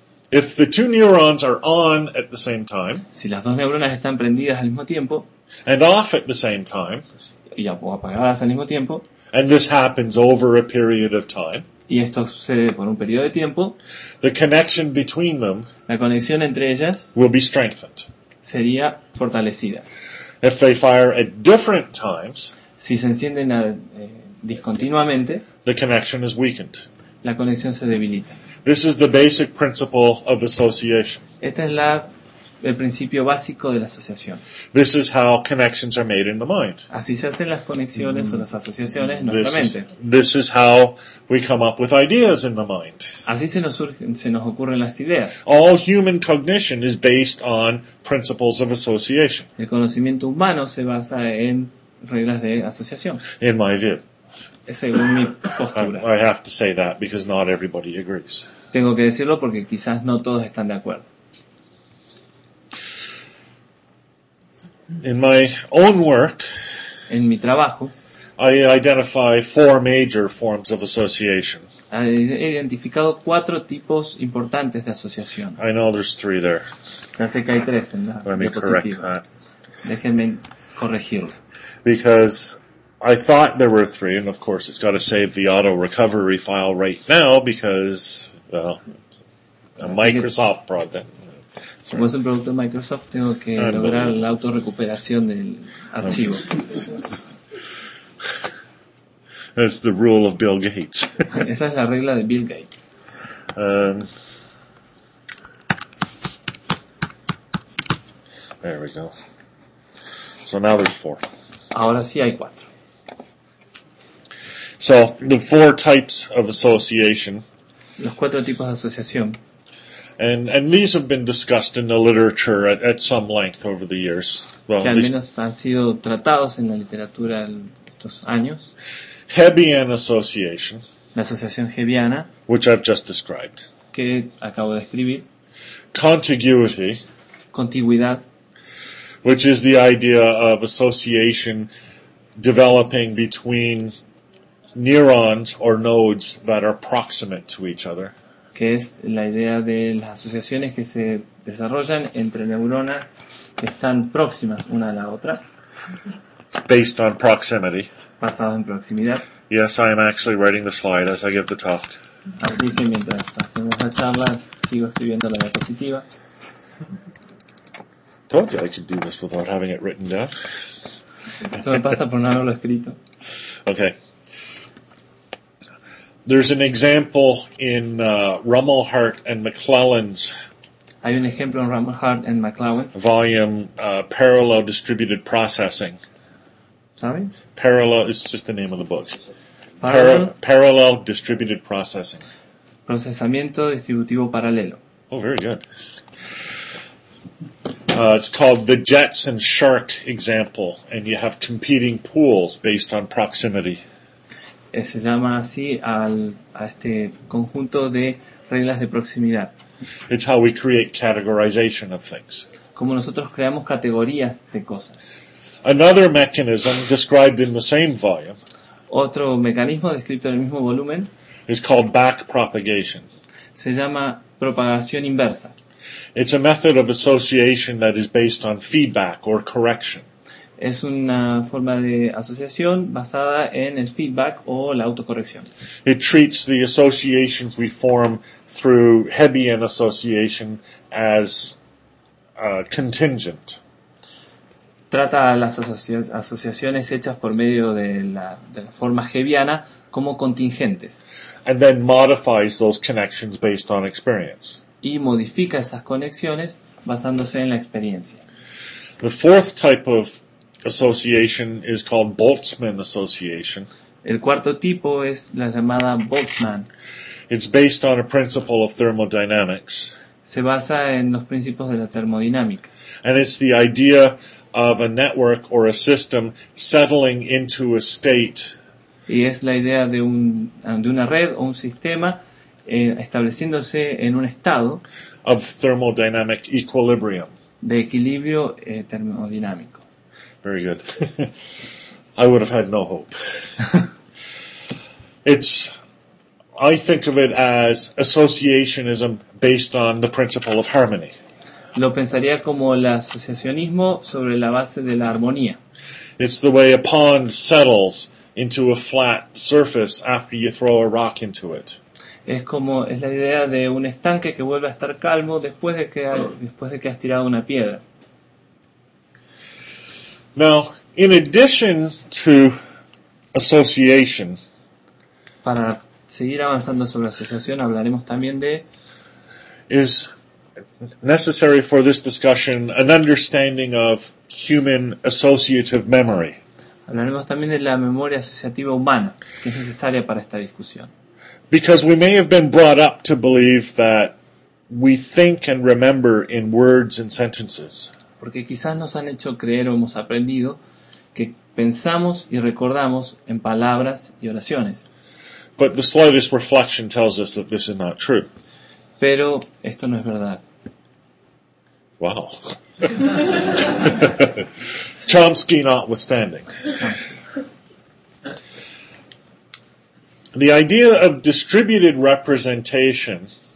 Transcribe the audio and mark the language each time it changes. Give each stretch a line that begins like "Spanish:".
English: If the two neurons are on at the same time.
Spanish: Si las dos neuronas están prendidas al mismo tiempo.
English: And off at the same time.
Spanish: Y apagadas al mismo tiempo.
English: And this happens over a period of time.
Spanish: Y esto sucede por un periodo de tiempo.
English: The connection between them.
Spanish: La conexión entre ellas.
English: Will be strengthened.
Spanish: Sería fortalecida.
English: If they fire at different times.
Spanish: Si se encienden discontinuamente.
English: The connection is weakened.
Spanish: La conexión se debilita.
English: This is the basic principle of association.
Spanish: Esta es la el principio básico de la asociación.
English: This is how connections are made in the mind.
Spanish: Así se hacen las conexiones o las asociaciones en nuestra mente.
English: This is how we come up with ideas in the mind.
Spanish: Así se nos ocurren las ideas.
English: All human cognition is based on principles of association.
Spanish: El conocimiento humano se basa en reglas de asociación.
English: In my view.
Spanish: Según mi postura.
English: I have to say that because not everybody agrees.
Spanish: Tengo que decirlo porque quizás no todos están de acuerdo.
English: In my own work,
Spanish: en mi trabajo,
English: I identify four major forms of association.
Spanish: He identificado cuatro tipos importantes de asociación.
English: I know there's three there.
Spanish: Ya sé que hay tres en la
English: Let me correct that.
Spanish: Déjenme corregirlo.
English: Because I thought there were three, and of course it's got to save the auto recovery file right now because, well, a Microsoft project.
Spanish: Como es un producto de Microsoft, tengo que lograr la autorrecuperación del archivo.
English: That's the rule of Bill Gates.
Spanish: Esa es la regla de Bill Gates.
English: There we go. So now there's four.
Spanish: Ahora sí hay cuatro.
English: So the four types of association.
Spanish: Los cuatro tipos de asociación.
English: And these have been discussed in the literature at some length over the years.
Spanish: Well, que al menos han sido tratados en la literatura estos años.
English: Hebbian association.
Spanish: La asociación hebbiana.
English: Which I've just described.
Spanish: Que acabo de describir.
English: Contiguity.
Spanish: Contiguidad.
English: Which is the idea of association developing between neurons or nodes that are proximate to each other.
Spanish: Que es la idea de las asociaciones que se desarrollan entre neuronas que están próximas una a la otra.
English: Based on proximity.
Spanish: Basado en proximidad.
English: Yes, I am actually writing the slide as I give the talk.
Spanish: Así que mientras hacemos la charla, sigo escribiendo la diapositiva.
English: Told you I could do this without having it written down.
Spanish: Esto me pasa por no haberlo escrito.
English: Okay. There's an example in Rummelhart and McClellan's
Spanish: Hay un ejemplo en Reinhardt and McLaughlin.
English: Volume, parallel distributed processing. Sorry? Parallel, it's just the name of the books. Parallel distributed processing.
Spanish: Procesamiento distributivo paralelo.
English: Oh, very good. It's called the Jets and Shark example, and you have competing pools based on proximity.
Spanish: Se llama así a este conjunto de reglas de proximidad.
English: It's how we create categorization of things.
Spanish: Como nosotros creamos categorías de cosas.
English: Another mechanism described in the same volume.
Spanish: Otro mecanismo descrito en el mismo volumen.
English: Is called back propagation.
Spanish: Se llama propagación inversa.
English: It's a method of association that is based on feedback or correction.
Spanish: Es una forma de asociación basada en el feedback o la autocorrección.
English: It treats the associations we form through Hebbian association as contingent.
Spanish: Trata las asociaciones hechas por medio de la forma hebbiana como contingentes.
English: And then modifies those connections based on experience.
Spanish: Y modifica esas conexiones basándose en la experiencia.
English: The fourth type of association is called Boltzmann association.
Spanish: El cuarto tipo es la llamada Boltzmann.
English: It's based on a principle of thermodynamics.
Spanish: Se basa en los principios de la termodinámica.
English: And it's the idea of a network or a system settling into a state.
Spanish: Y es la idea de una red o un sistema estableciéndose en un estado
English: of thermodynamic equilibrium.
Spanish: De equilibrio termodinámico.
English: Very good. I would have had no hope. I think of it as associationism based on the principle of harmony.
Spanish: Lo pensaría como el asociacionismo sobre la base de la armonía.
English: It's the way a pond settles into a flat surface after you throw a rock into it.
Spanish: Es la idea de un estanque que vuelve a estar calmo después de que has tirado una piedra.
English: Now, in addition to association,
Spanish: para seguir avanzando sobre asociación, hablaremos también de
English: is necessary for this discussion an understanding of human associative memory.
Spanish: Hablaremos también de la memoria asociativa humana, que es necesaria para esta discusión.
English: Because we may have been brought up to believe that we think and remember in words and sentences.
Spanish: Porque quizás nos han hecho creer o hemos aprendido que pensamos y recordamos en palabras y oraciones.
English: But the slightest reflection tells us that this is not true.
Spanish: Pero esto no es verdad.
English: Wow. Chomsky notwithstanding. The idea of distributed representation.